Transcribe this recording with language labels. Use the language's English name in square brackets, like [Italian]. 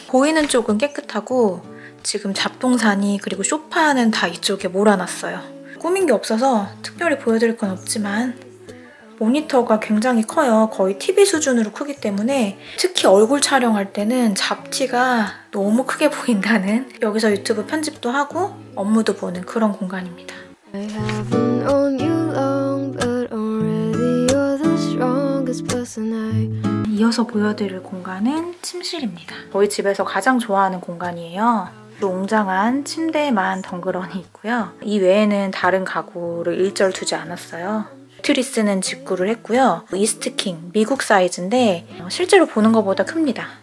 [Korean] 보이는 쪽은 깨끗하고, 지금 잡동사니 그리고 소파는 다 이쪽에 몰아놨어요. 꾸민 게 없어서 특별히 보여드릴 건 없지만, 모니터가 굉장히 커요. 거의 TV 수준으로 크기 때문에 특히 얼굴 촬영할 때는 잡티가 너무 크게 보인다는. 여기서 유튜브 편집도 하고 업무도 보는 그런 공간입니다. [English] I haven't known you long, but already you're the strongest person I. [Korean] 이어서 보여드릴 공간은 침실입니다. 저희 집에서 가장 좋아하는 공간이에요. 웅장한 침대만 덩그러니 있고요. 이 외에는 다른 가구를 일절 두지 않았어요. 매트리스는 직구를 했고요. 이스트킹, 미국 사이즈인데 실제로 보는 것보다 큽니다.